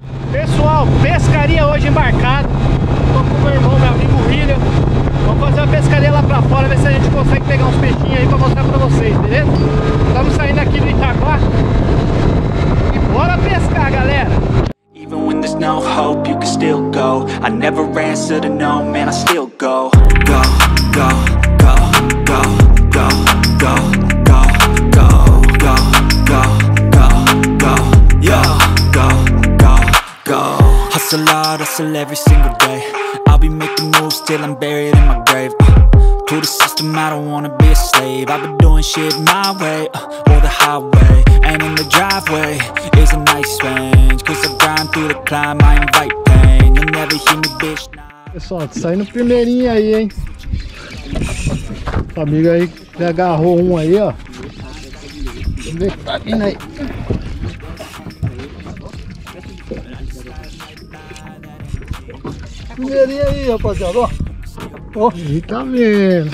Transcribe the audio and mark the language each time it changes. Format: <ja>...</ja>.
<pt>Pessoal, pescaria hoje embarcado. Tô com meu irmão, meu amigo William. Vamos fazer uma pescaria lá para fora, ver se a gente consegue pegar uns peixinhos aí para mostrar para vocês, beleza? Estamos saindo aqui do Itaguá. Bora pescar, galera!</pt> <en>Even when there's no hope, you can still go. I never answer to no, man, I still go. Go, go, go, go, go, go, go, go, go, go, go, go, yo, go, go, go. Hustle hard, hustle every single day. I'll be making moves till I'm buried in my grave. To the system, I don't wanna be a slave. I've been doing shit my way, or the highway. And in the driveway is a nice range. Cause I grind through the climb, I invite pain. You never hear me, bitch, nah.</en> <pt>Pessoal, tô saindo primeirinho aí, hein. O amigo aí já agarrou um aí, ó. Vamos ver o que tá vindo aí. Primeirinho aí, rapaziada, ó. Oh. Eita, menino!</pt>